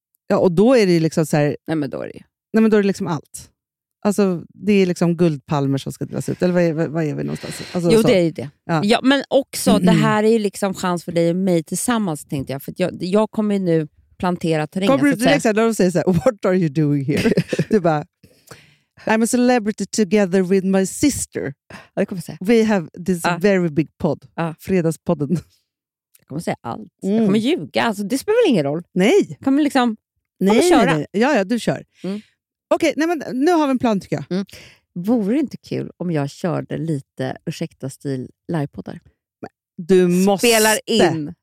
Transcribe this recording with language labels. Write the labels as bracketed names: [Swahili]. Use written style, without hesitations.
[Swedish] Ja, och då är det ju liksom så här... Nej, men då är det ju. Nej, men då är det liksom allt. Alltså, det är liksom guldpalmer som ska delas ut. Eller vad är vi någonstans? Alltså, jo, så. Det är ju det. Ja. Ja, men också, det här är ju liksom chans för dig och mig tillsammans, tänkte jag. För att jag kommer ju nu plantera terrängen. Kommer du direkt när de säger så här, [English] what are you doing here? [Swedish] Du bara, [English] I'm a celebrity together with my sister. [Swedish] Ja, det kommer jag säga. [English] We have this very big pod. [Swedish] Fredagspodden. Jag kommer säga allt. Mm. Jag kommer ljuga. Alltså, det spelar väl ingen roll? Nej. Kommer liksom, nej, köra. Nej. Ja, du kör. Mm. Okej, nej men nu har vi en plan, tycker jag. Mm. Vore det inte kul om jag körde lite ursäkta stil livepoddar? Du måste. Spelar in.